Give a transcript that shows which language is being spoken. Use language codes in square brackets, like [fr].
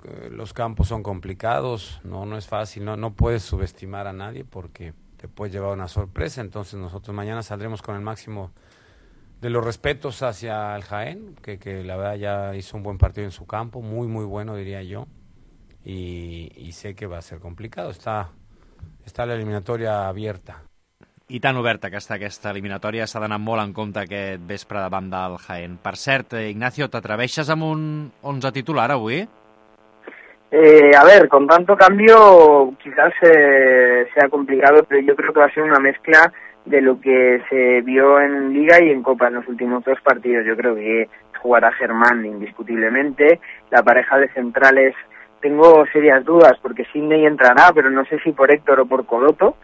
[es] Los campos son complicados, no es fácil. No puedes subestimar a nadie porque te puedes llevar una sorpresa. Entonces nosotros mañana saldremos con el máximo de los respetos hacia el Jaén, que la verdad ya hizo un buen partido en su campo, muy muy bueno diría yo, y sé que va a ser complicado, está la eliminatoria abierta. [ca] I tan oberta que està aquesta eliminatòria, s'ha d'anar molt en compte aquest vespre davant del Jaén. Per cert, Ignacio, t'atreveixes amb un 11 titular avui? [es] A ver, con tanto cambio quizás sea complicado, pero yo creo que va a ser una mezcla de lo que se vio en Liga y en Copa en los últimos 2 partidos. Yo creo que jugará Germán indiscutiblemente. La pareja de centrales, tengo serias dudas, porque Sidney entrará, pero no sé si por Héctor o por Coloto.